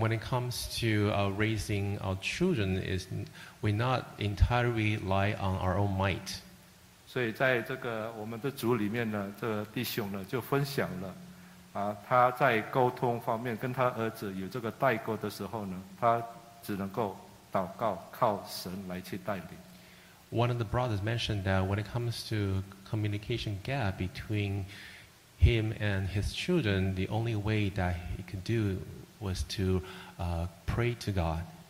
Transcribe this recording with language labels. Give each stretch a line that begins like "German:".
English: when it comes to raising our children, is we not entirely rely on our own might.
Chinese: 所以在这个我们的组里面呢，这个弟兄呢就分享了，他在沟通方面跟他儿子有这个代沟的时候呢，他只能够祷告，靠神来去带领。
English: One of the brothers mentioned that when it comes to communication gap between him and his children, the only way that he could do was to pray to God.